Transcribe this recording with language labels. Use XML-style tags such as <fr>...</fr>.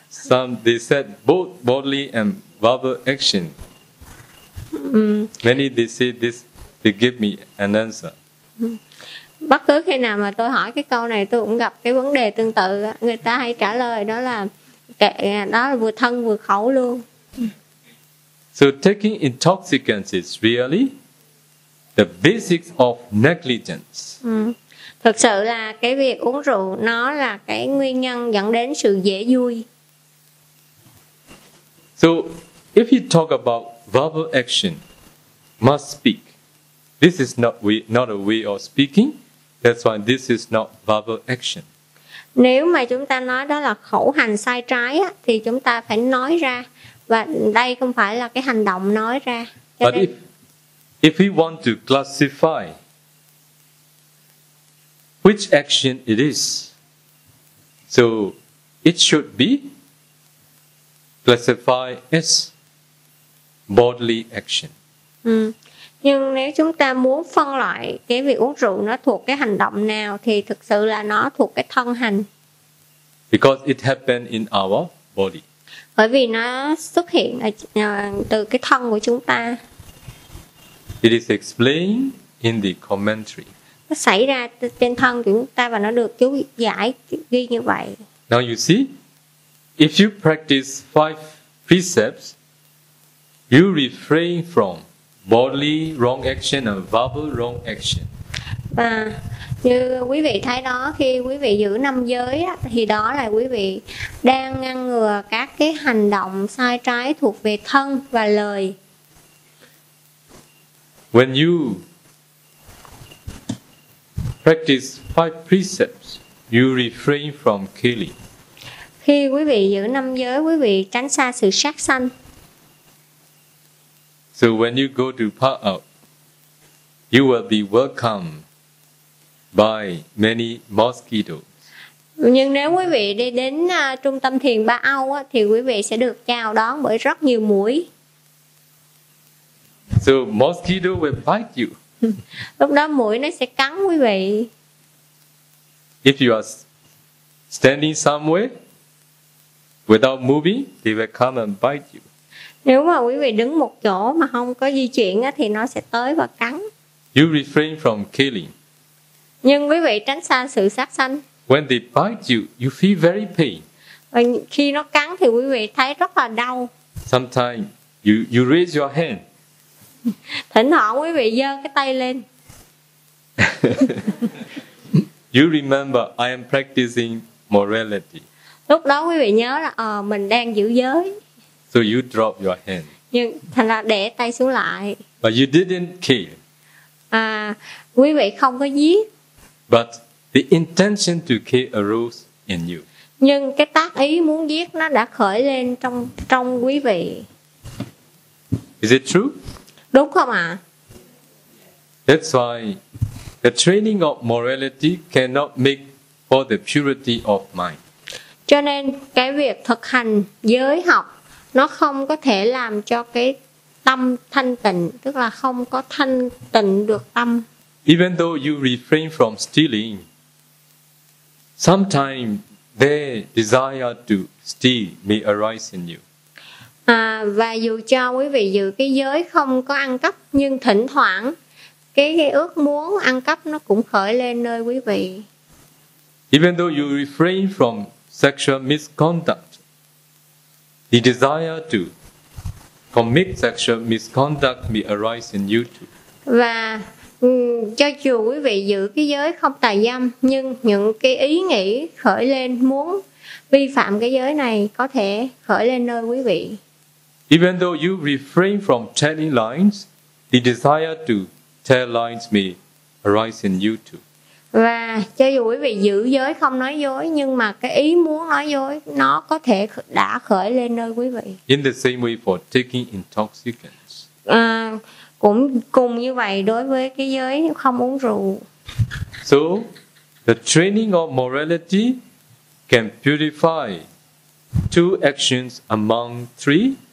<en>Some they said both bodily and verbal action. Many they say this, they give me an answer.</en> <vi>Bất cứ khi nào mà tôi hỏi cái câu này, tôi cũng gặp cái vấn đề tương tự. Người ta hay trả lời đó là kệ, đó là vừa thân vừa khẩu luôn.</vi> <en>So taking intoxicants is really the basics of negligence.</en> <vi>Thực sự là cái việc uống rượu nó là cái nguyên nhân dẫn đến sự dễ vui.</vi> <en>So if you talk about verbal action, must speak. This is not a way of speaking. That's why this is not verbal action.</en> <vi>Nếu mà chúng ta nói đó là khẩu hành sai trái á, thì chúng ta phải nói ra, và đây không phải là cái hành động nói ra.</vi> <en>Cho But if we want to classify which action it is, so it should be classified as bodily action.</en> <vi>Nhưng nếu chúng ta muốn phân loại cái việc uống rượu nó thuộc cái hành động nào thì thực sự là nó thuộc cái thân hành.</vi> <en>Because it happened in our body.</en> <vi>Bởi vì nó xuất hiện ở từ cái thân của chúng ta.</vi> <en>It is explained in the commentary.</en> <vi>Nó xảy ra trên thân của chúng ta và nó được chú giải ghi như vậy.</vi> <en>Now you see, if you practice five precepts, you refrain from bodily wrong action and verbal wrong action.</en> <vi>Và như quý vị thấy đó, khi quý vị giữ năm giới á, thì đó là quý vị đang ngăn ngừa các cái hành động sai trái thuộc về thân và lời.</vi> <en>When you practice five precepts, you refrain from killing.</en> <vi>Khi quý vị giữ năm giới, quý vị tránh xa sự sát sanh.</vi> <en>So when you go to Pa'ap, you will be welcome by many mosquitoes.</en> <vi>Nhưng nếu quý vị đi đến trung tâm thiền Ba Âu á, thì quý vị sẽ được chào đón bởi rất nhiều muỗi.</vi> <en>So mosquito will bite you.</en> <vi>Lúc đó muỗi nó sẽ cắn quý vị.</vi> <en>If you are standing somewhere without moving, they will come and bite you.</en> <vi>Nếu mà quý vị đứng một chỗ mà không có di chuyển á, thì nó sẽ tới và cắn.</vi> <en>You refrain from killing.</en> <vi>Nhưng quý vị tránh xa sự sát sanh.</vi> <en>When they bite you, you feel very pain.</en> <vi>Và khi nó cắn thì quý vị thấy rất là đau.</vi> <en>Sometimes you raise your hand.</en> <vi>Thỉnh thoảng quý vị giơ cái tay lên.</vi> <en>You remember I am practicing morality.</en> <vi>Lúc đó quý vị nhớ là mình đang giữ giới.</vi> <en>So you drop your hand.</en> <vi>Nhưng thành ra để tay xuống lại.</vi> <en>But you didn't kill.</en> <vi>À, quý vị không có giết.</vi> <en>But the intention to kill arose in you.</en> <vi>Nhưng cái tác ý muốn giết nó đã khởi lên trong quý vị.</vi> <en>Is it true?</en> <vi>Đúng không ạ?</vi> <en>That's why the training of morality cannot make for the purity of mind.</en> <vi>Cho nên cái việc thực hành giới học nó không có thể làm cho cái tâm thanh tịnh, tức là không có thanh tịnh được tâm.</vi> <en>Even though you refrain from stealing, sometimes the desire to steal may arise in you.</en> <vi>À, và dù cho quý vị giữ cái giới không có ăn cắp, nhưng thỉnh thoảng cái ước muốn ăn cắp nó cũng khởi lên nơi quý vị.</vi> <en>Even though you refrain from sexual misconduct, the desire to commit sexual misconduct may arise in you too.</en> <vi>Và cho dù quý vị giữ cái giới không tà dâm, nhưng những cái ý nghĩ khởi lên muốn vi phạm cái giới này có thể khởi lên nơi quý vị.</vi> <en>Even though you refrain from telling lies, the desire to tell lies may arise in you too.</en> <vi>Và cho dù quý vị giữ giới không nói dối, nhưng mà cái ý muốn nói dối nó có thể đã khởi lên nơi quý vị.</vi> <en>In the same way for taking intoxicants.</en> <vi>Cũng cùng như vậy đối với cái giới không uống rượu.</vi> <en>So, the training of morality can purify two actions among three.</en>